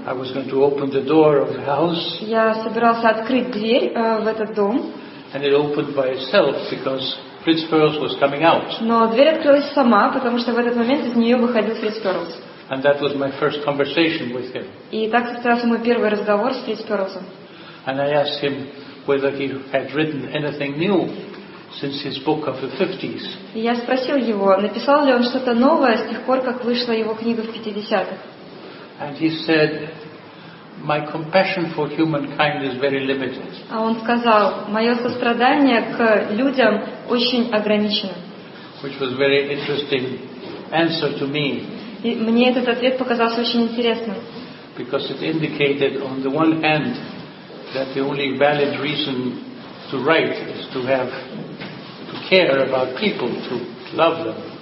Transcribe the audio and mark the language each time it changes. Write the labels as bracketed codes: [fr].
[en] I was going to open the door of the house. [ru] Я собирался открыть дверь в этот дом. [en] And it opened by itself because Fritz Perls was coming out. [ru] Но дверь открылась сама, потому что в этот момент из нее выходил Фриц Перлс. [en] And that was my first conversation with him. [ru] И так состоялся мой первый разговор с Фриц Перлзом. [en] And I asked him whether he had written anything new since his book of the 50s. [ru] И я спросил его, написал ли он что-то новое с тех пор, как вышла его книга в 50-х. [en] And he said, my compassion for humankind is very limited. [ru] А он сказал, мое сострадание к людям очень ограничено. [en] Which was a very interesting answer to me. [ru] И мне этот ответ показался очень интересным. [en] Because it indicated on the one hand that the only valid reason to write is to care about people, to love them.